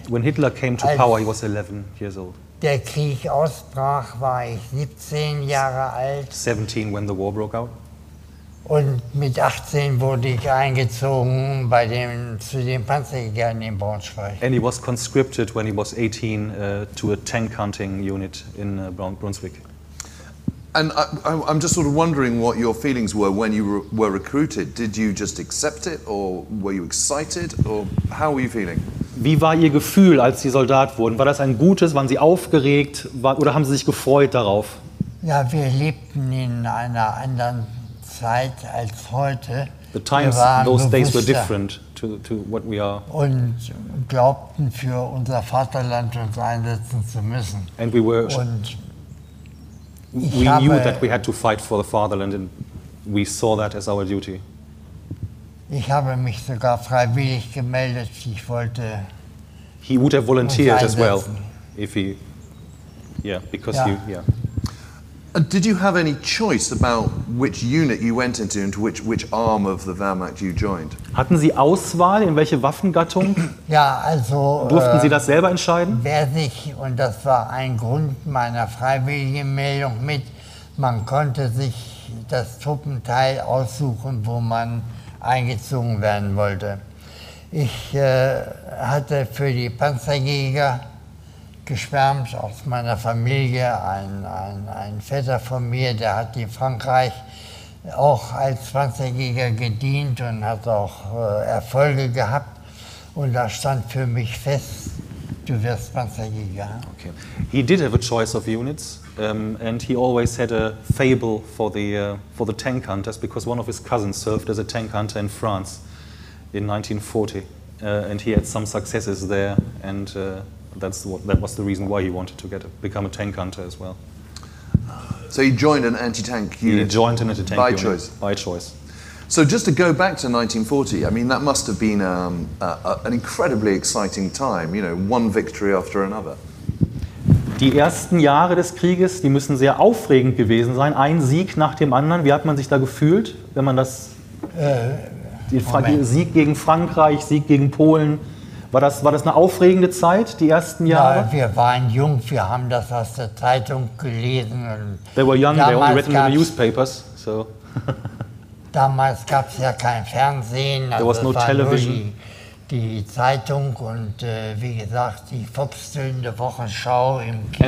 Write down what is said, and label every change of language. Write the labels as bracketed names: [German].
[English] When Hitler came to power, he was 11 years old. [German] Der Krieg ausbrach, war ich 17 Jahre alt. [English] 17 when the war broke out. [German] Und mit 18 wurde ich eingezogen zu den Panzerjägern in Braunschweig. [English] And he was conscripted when he was 18 to a tank hunting unit in Brunswick. And I'm just sort of wondering what your feelings were when you were recruited. Did you just accept it or were you excited or how were you feeling? [German] Wie war Ihr Gefühl, als Sie Soldat wurden? War das ein gutes? Waren Sie aufgeregt? Oder haben Sie sich gefreut darauf? Ja, wir lebten in einer anderen Zeit als heute. [English] The times, those days were different to what we are. [German] Und glaubten, für unser Vaterland uns einsetzen zu müssen. [English] And we were. [German] Und [English] we knew that we had to fight for the fatherland and we saw that as our duty. [German] Ich habe mich sogar freiwillig gemeldet. Ich wollte. [English] He would have volunteered as well, if he. Yeah, because you. Yeah. Did you have any choice about which unit you went into and which arm of the Wehrmacht you joined? [German] Hatten Sie Auswahl in welche Waffengattung? Ja, also durften Sie das selber entscheiden? Wer sich, und das war ein Grund meiner freiwilligen Meldung mit, man konnte sich das Truppenteil aussuchen, wo man eingezogen werden wollte. Ich hatte für die Panzerjäger geschwärmt aus meiner Familie, ein Vetter von mir, der hat in Frankreich auch als Panzerjäger gedient und hat auch Erfolge gehabt. Und da stand für mich fest, du wirst Panzerjäger. [English] Okay. He did have a choice of units and he always had a fable for the tank hunters because one of his cousins served as a tank hunter in France in 1940 and he had some successes there and That was the reason why he wanted to become a tank hunter as well. So he joined an anti-tank unit. He joined an anti-tank by unit. By choice. So just to go back to 1940, I mean that must have been an incredibly exciting time. You know, one victory after another. [German] Die ersten Jahre des Krieges, die müssen sehr aufregend gewesen sein. Ein Sieg nach dem anderen. Wie hat man sich da gefühlt, wenn man das Sieg gegen Frankreich, Sieg gegen Polen? War das eine aufregende Zeit, die ersten Jahre? Ja, wir waren jung, wir haben das aus der Zeitung gelesen. [English] They were young, [German] damals [English] they only read in the newspapers. So. [German] Damals gab es ja kein Fernsehen, [English] also there was no [German] war [English] television. [German] Nur die Zeitung und wie gesagt, die fuchstelnde Wochenschau im Kino.